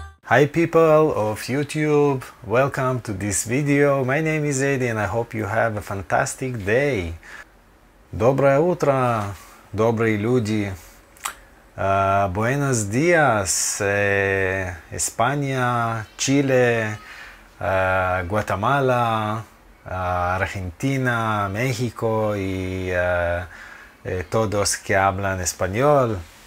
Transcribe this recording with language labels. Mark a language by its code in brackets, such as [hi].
[en] Hi people of YouTube, welcome to this video. My name is Eddie and I hope you have a fantastic day. [ru] Доброе утро, добрые люди. [es] Buenos dias, España, Chile, Guatemala, Argentina, México y todos que hablan español.